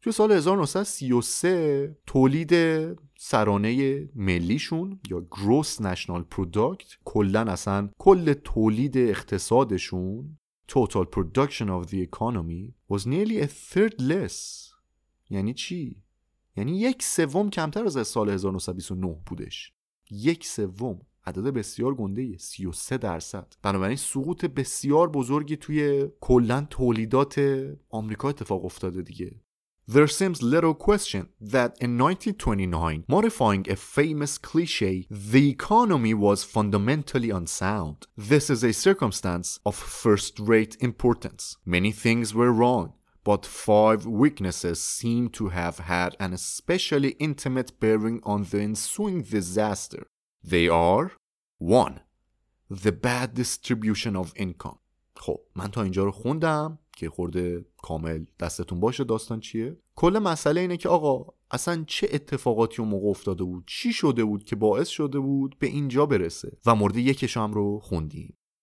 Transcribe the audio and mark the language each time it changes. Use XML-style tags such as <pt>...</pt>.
<fa>توی سال 1933 تولید سرانه ملیشون یا گروس نشنال پروداکت، کلن اصلا کل تولید اقتصادشون،</fa> <en>total production of the economy was nearly a third less.</en> <fa>یعنی چی؟ یعنی یک سوم کمتر از سال 1929 بودش. یک سوم، عدد بسیار گنده ای، 33%. بنابراین سقوط بسیار بزرگی توی کلن تولیدات آمریکا اتفاق افتاده دیگه.</fa> <en>There seems little question that in 1929, modifying a famous cliche, the economy was fundamentally unsound. This is a circumstance of first-rate importance. Many things were wrong, but five weaknesses seem to have had an especially intimate bearing on the ensuing disaster. They are 1. The bad distribution of income.</en> <fa>خب من تا اینجا رو خوندم که خورده کامل دستتون باشه داستان چیه؟ کل مسئله اینه که آقا اصلا چه اتفاقاتی اون موقع افتاده بود؟ چی شده بود که باعث شده بود به اینجا برسه؟ و مورد یکش هم رو خوندیم.</fa>